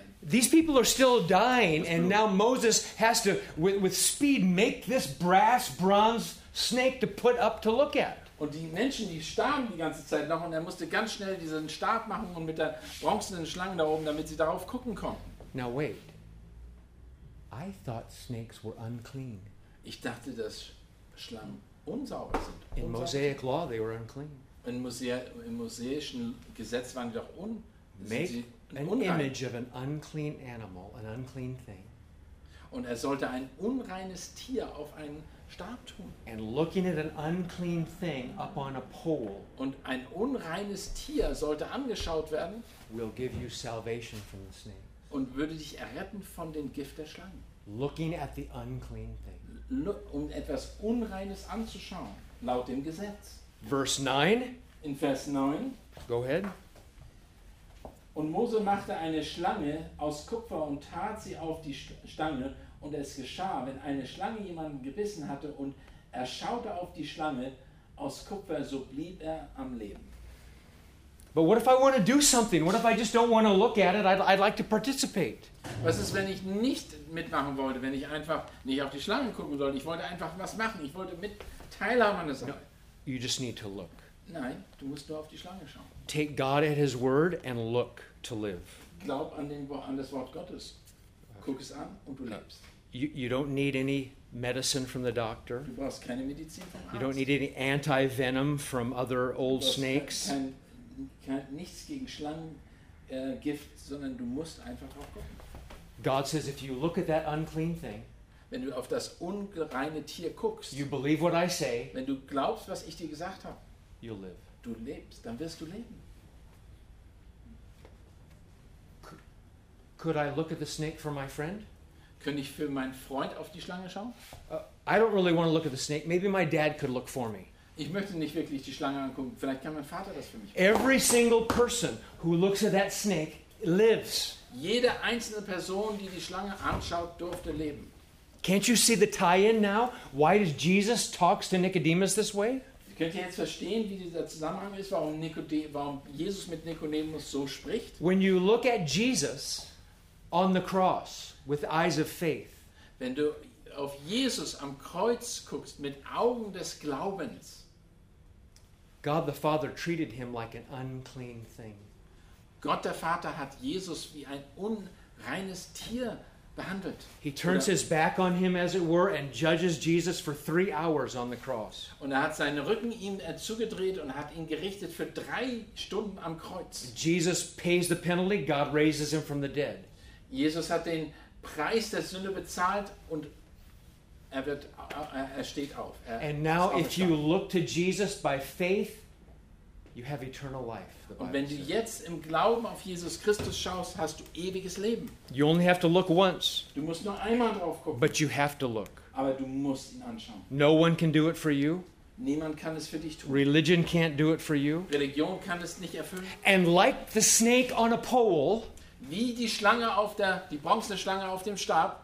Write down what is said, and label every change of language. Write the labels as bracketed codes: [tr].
[en] These people are still dying, and now Moses has to, with speed, make this brass, bronze snake to put up to look at. [de] Und die Menschen, die starben die ganze Zeit noch, und er musste ganz schnell diesen Stab machen und mit der bronzenen Schlange da oben, damit sie darauf gucken konnten. [en] Now wait. I thought snakes were unclean. [de] Ich dachte, dass Schlangen unsauber sind. [en] In Mosaic law, they were unclean. [de] Im mosaischen Gesetz waren die doch unrein. [en] An image of an unclean animal, an unclean thing. [de] Und sollte ein unreines Tier auf einen Stab tun. [en] And looking at an unclean thing up on a pole. [de] Und ein unreines Tier sollte angeschaut werden. [en] Will give you salvation from the snake. [de] Und würde dich erretten von dem Gift der Schlangen. [en] Looking at the unclean thing. [de] Um etwas Unreines anzuschauen, laut dem Gesetz. [en] Verse 9. [de] In Vers 9. [en] Go ahead. [de] Und Mose machte eine Schlange aus Kupfer und tat sie auf die Stange. Und es geschah, wenn eine Schlange jemanden gebissen hatte und er schaute auf die Schlange aus Kupfer, so blieb er am Leben. [en] But what if I want to do something? What if I just don't want to look at it? I'd like to participate. [de] Was ist, wenn ich nicht mitmachen wollte, wenn ich einfach nicht auf die Schlange gucken sollte? Ich wollte einfach was machen. Ich wollte mit teilhaben an der Sache. [en] You just need to look. [de] Nein, du musst nur auf die Schlange schauen. [en] Take God at His word and look to live. [de] Glaub an das Wort Gottes. Guck es an und du lebst. [en] You don't need any medicine from the doctor. [de] Du brauchst keine Medizin vom Arzt. [en] You don't need any anti-venom from other old snakes. [de] Du brauchst nichts gegen Schlangengift, sondern du musst einfach drauf gucken. [en] God says, if you look at that unclean thing, [de] wenn du auf das unreine Tier guckst, [en] you believe what I say, [de] wenn du glaubst, was ich dir gesagt habe, [en] you'll live. [de] Du lebst, dann wirst du leben. [en] Could I look at the snake for my friend? [de] Könnte ich für meinen Freund auf die Schlange schauen? [en] I don't really want to look at the snake. Maybe my dad could look for me. [de] Ich möchte nicht wirklich die Schlange angucken. Vielleicht kann mein Vater das für mich. [en] Every single person who looks at that snake lives. [de] Jede einzelne Person, die die Schlange anschaut, durfte leben. [en] Can't you see the tie-in now? Why does Jesus talk to Nicodemus this way? [de] Könnt ihr jetzt verstehen, wie dieser Zusammenhang ist, warum Jesus mit Nikodemus so spricht? [en] When you look at Jesus on the cross with eyes of faith, [de] wenn du auf Jesus am Kreuz guckst mit Augen des Glaubens, [en] God the Father treated him like an unclean thing. [de] Gott der Vater hat Jesus wie ein unreines Tier behandelt. [en] He turns his back on him, as it were, and judges Jesus for 3 hours on the cross. [de] Und hat seinen Rücken ihm zugedreht und hat ihn gerichtet für 3 Stunden am Kreuz. [en] Jesus pays the penalty. God raises him from the dead. [de] Jesus hat den Preis der Sünde bezahlt und er steht auf. [en] And now, if you look to Jesus by faith, you have eternal life. [de] Und wenn du jetzt im Glauben auf Jesus Christus schaust, hast du ewiges Leben. [en] You only have to look once. [de] Du musst nur einmal drauf gucken. [en] But you have to look. [de] Aber du musst ihn anschauen. [en] No one can do it for you. [de] Niemand kann es für dich tun. [en] Religion can't do it for you. [de] Religion kann es nicht erfüllen. [en] And like the snake on a pole, [de] wie die Schlange auf der die bronzene Schlange auf dem Stab,